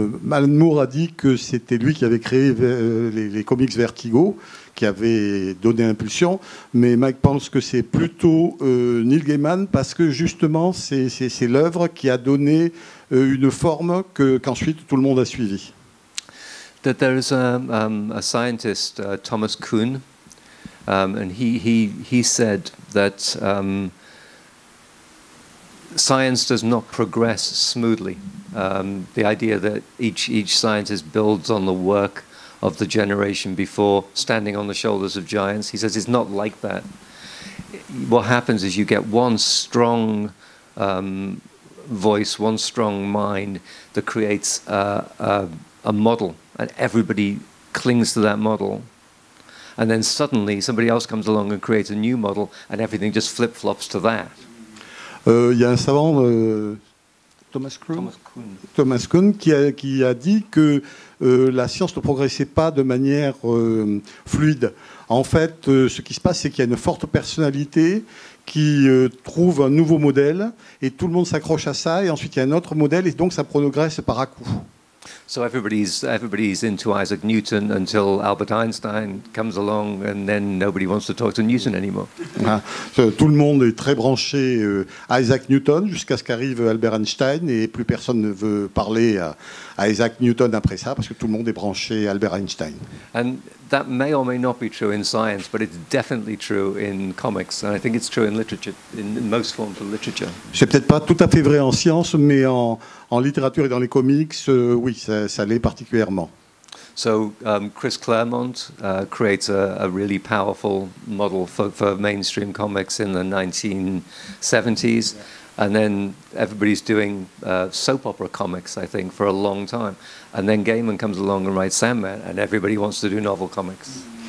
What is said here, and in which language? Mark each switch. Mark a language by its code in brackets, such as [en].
[fr] Alan Moore a dit que c'était lui qui avait créé les comics Vertigo, qui avait donné l'impulsion, mais Mike pense que c'est plutôt Neil Gaiman, parce que justement c'est l'œuvre qui a donné une forme qu'ensuite tout le monde a suivi. [en] That there is a scientist, Thomas Kuhn, And he said that science does not progress smoothly. The idea that each scientist builds on the work of the generation before, standing on the shoulders of giants, he says it's not like that. What happens is you get one strong voice, one strong mind that creates a model, and everybody clings to that model. And then suddenly somebody else comes along and creates a new model, and everything just flip-flops to that. [fr] Il y a un savant, Thomas Kuhn, qui a dit que la science ne progressait pas de manière fluide. En fait, ce qui se passe, c'est qu'il y a une forte personnalité qui trouve un nouveau modèle, et tout le monde s'accroche à ça, et ensuite il y a un autre modèle, et donc ça progresse par à-coups. [en] So everybody's into Isaac Newton until Albert Einstein comes along, and then nobody wants to talk to Newton anymore. [fr] Tout le monde est très branché Isaac Newton jusqu'à ce qu'arrive Albert Einstein, et plus personne ne veut parler à Isaac Newton après ça, parce que tout le monde est branché Albert Einstein. [en] And that may or may not be true in science, but it's definitely true in comics, and I think it's true in literature, in most forms of literature. [fr] C'est peut-être pas tout à fait vrai en science, mais en littérature et dans les comics, oui, ça l'est particulièrement. [en] So Chris Claremont creates a really powerful model for mainstream comics in the 1970s, and then everybody's doing soap opera comics, I think, for a long time. And then Gaiman comes along and writes Sandman, and everybody wants to do novel comics.